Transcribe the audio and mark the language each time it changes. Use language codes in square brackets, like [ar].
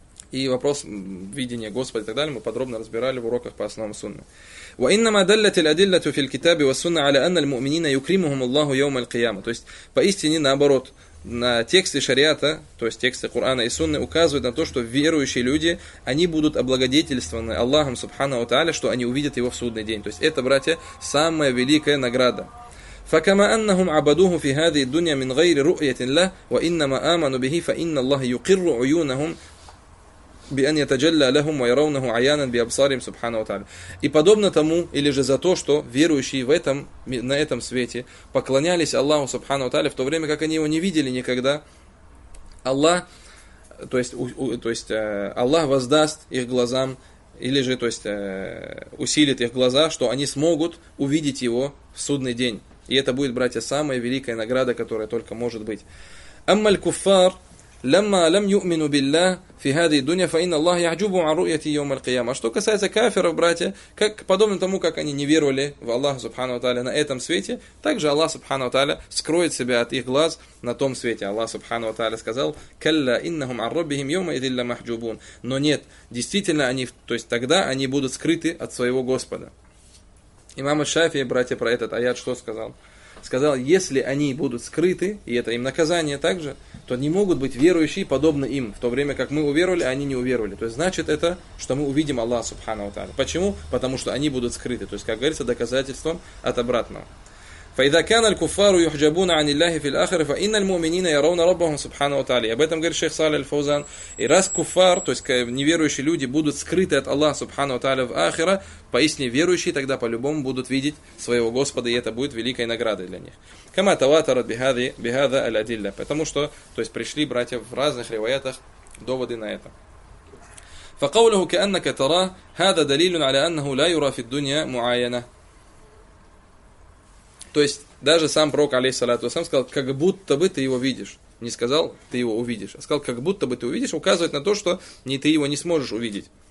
[ru] И вопрос видения Господа и так далее мы подробно разбирали в уроках по основам сунны. [ar] وإنما دلت الأدلة في الكتاب والسنة على أن المؤمنين يكرمهم الله يوم القيامة. [ru] То есть поистине наоборот, на тексты шариата, то есть тексты Корана и Сунны указывают на то, что верующие люди, они будут облагодетельствованы Аллахом Субхана ва Тааля, что они увидят его в судный день. То есть это, братья, самая великая награда. [ar] فكما أنهم عبدوه في هذه الدنيا من غير رؤية له وإنما آمنوا به فإن الله يقر عيونهم بأن يتجلى لهم ويرونه عيانا بأبصارهم سبحانه وتعالى. [ru] И подобно тому, или же за то, что верующие в этом, на этом свете поклонялись Аллаху Субхану ва Тааля, в то время как они его не видели никогда, Аллах, то есть Аллах воздаст их глазам, или же, то есть, усилит их глаза, что они смогут увидеть его в судный день. И это будет, братья, самая великая награда, которая только может быть. [ar] أما الكفار لما لم يؤمنوا بالله في هذه الدنيا فإن الله يحجبهم عن رؤية يوم القيامة. [ru] Что касается кафиров, братья, как подобно тому, как они не веровали в Аллаха Субхану ва Тааля на этом свете, так же Аллах Субхану ва Тааля скроет себя от их глаз на том свете. Аллах Субхану ва Тааля сказал: [ar] كلا إنهم عن ربهم يوم إذ إلا محجوبون. [ru] Но нет, действительно они, то есть тогда они будут скрыты от своего Господа. Имам аш-Шафии, братья, про этот аят что сказал? Сказал: если они будут скрыты, и это им наказание также, то не могут быть верующие подобно им, в то время как мы уверовали, а они не уверовали. То есть значит это, что мы увидим Аллаха Субхану ва Тааля. Почему? Потому что они будут скрыты. То есть, как говорится, доказательством от обратного. [ar] فإذا كان الكفار يحجبون عن الله في الآخرة فإن المؤمنين يرون ربهم سبحانه وتعالى. [ru] Об этом говорит шейх Салих аль-Фаузан. И раз куфар, то есть неверующие люди, будут скрыты от Аллаха Субхану Тааля в Ахира, поистине верующие тогда по-любому будут видеть своего Господа, и это будет великой наградой для них. [ar] كما تواترت بهذا الأدلة. [ru] Потому что, то есть пришли, братья, в разных ривоятах доводы на это. [ar] فقوله كأنك تراه هذا دليل على أنه لا يرى في الدنيا معينة. [ru] То есть, даже сам пророк, алейхиссалату вассалям, сказал, как будто бы ты его видишь. Не сказал, ты его увидишь, а сказал, как будто бы ты увидишь, указывает на то, что ты его не сможешь увидеть.